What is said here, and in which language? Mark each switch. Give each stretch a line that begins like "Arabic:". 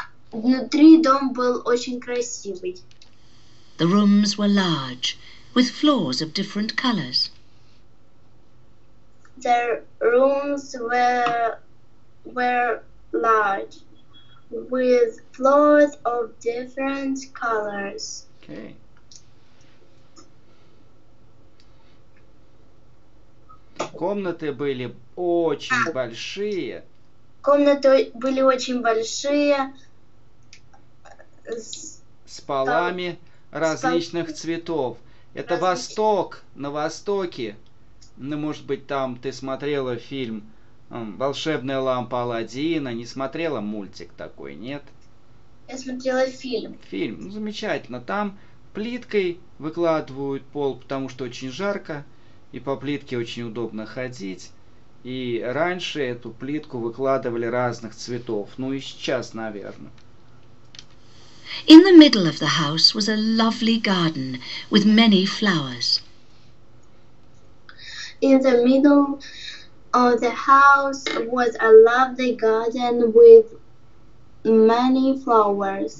Russian: Внутри дом был очень красивый.
English: The rooms were large, with floors of different colors. The rooms were large, with floors of different colors. Okay.
Russian: Комнаты были очень большие. Комнаты были очень большие. С полами различных цветов. Это Восток, на Востоке. Ну, может быть, там ты смотрела фильм «Волшебная лампа Аладдина». Не смотрела мультик такой, нет? Я смотрела фильм. Фильм, ну, замечательно. Там плиткой выкладывают пол, потому что очень жарко. И по плитке очень удобно ходить. И раньше эту плитку выкладывали разных цветов. Ну и сейчас, наверное.
English: In the middle of the house was a lovely garden with many flowers. In the middle of the house was a lovely garden with many flowers.